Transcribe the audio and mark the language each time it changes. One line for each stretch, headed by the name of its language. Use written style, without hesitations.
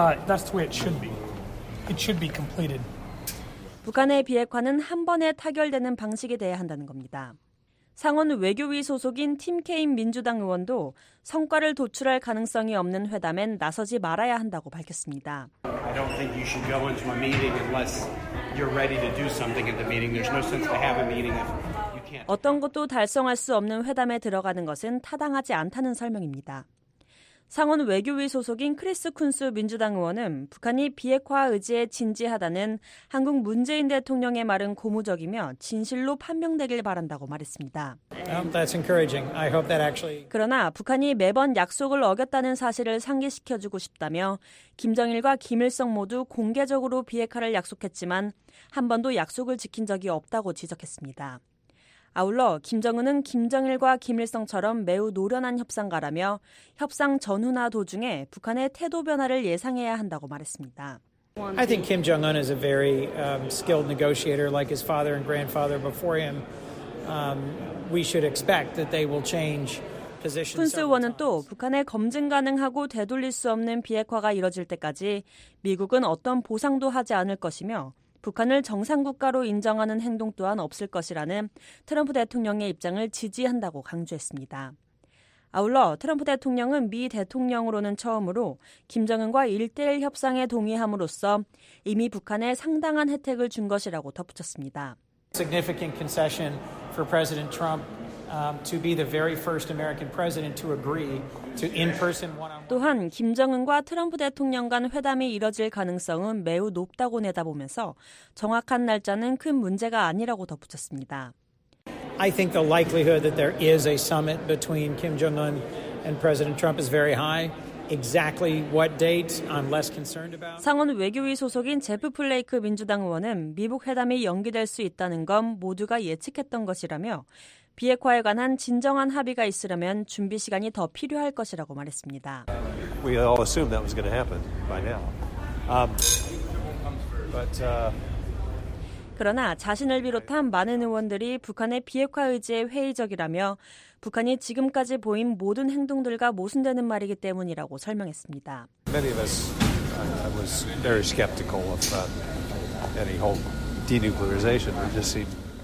English: That's the way it should be. It should be completed.
Korean: 북한의 비핵화는 한 번에 타결되는 방식이 돼야 한다는 겁니다. 상원 외교위 소속인 팀 케인 민주당 의원도 성과를 도출할 가능성이 없는 회담엔 나서지 말아야 한다고 밝혔습니다.
English: I don't think you should go into a meeting unless you're ready to do something at the meeting. There's no sense to have a meeting if
Korean: 어떤 것도 달성할 수 없는 회담에 들어가는 것은 타당하지 않다는 설명입니다. 상원 외교위 소속인 크리스 쿤스 민주당 의원은 북한이 비핵화 의지에 진지하다는 한국 문재인 대통령의 말은 고무적이며 진실로 판명되길 바란다고 말했습니다.
English: That's encouraging. I hope that actually...
Korean: 그러나 북한이 매번 약속을 어겼다는 사실을 상기시켜주고 싶다며 김정일과 김일성 모두 공개적으로 비핵화를 약속했지만 한 번도 약속을 지킨 적이 없다고 지적했습니다. 아울러 김정은은 김정일과 김일성처럼 매우 노련한 협상가라며 협상 전후나 도중에 북한의 태도 변화를 예상해야 한다고 말했습니다.
English: I think Kim Jong-un is a very skilled negotiator like his father and grandfather before him. We should expect that they will change position.
Korean: 쿤스 의원은 또 북한의 검증 가능하고 되돌릴 수 없는 비핵화가 이뤄질 때까지 미국은 어떤 보상도 하지 않을 것이며 북한을 정상국가로 인정하는 행동 또한 없을 것이라는 트럼프 대통령의 입장을 지지한다고 강조했습니다. 아울러 트럼프 대통령은 미 대통령으로는 처음으로 김정은과 1대1 협상에 동의함으로써 이미 북한에 상당한 혜택을 준 것이라고 덧붙였습니다.
English: Significant concession for President Trump to be the very first American president to agree to in-person one-on-one.
Korean: 또한 김정은과 트럼프 대통령 간 회담이 이뤄질 가능성은 매우 높다고 내다보면서 정확한 날짜는 큰 문제가 아니라고 덧붙였습니다.
English: I think the likelihood that there is a summit between Kim Jong-un and President Trump is very high. Exactly what date I'm less concerned about.
Korean: 상원 외교위 소속인 제프 플레이크 민주당 의원은 미북 회담이 연기될 수 있다는 건 모두가 예측했던 것이라며 비핵화에 관한 진정한 합의가 있으려면 준비 시간이 더 필요할 것이라고 말했습니다.
English: We all assumed that was going to happen by now. But
Korean: 그러나 자신을 비롯한 많은 의원들이 북한의 비핵화 의지에 회의적이라며 북한이 지금까지 보인 모든 행동들과 모순되는 말이기 때문이라고 설명했습니다.
English: Many of us was very skeptical of any whole denuclearization. It just seemed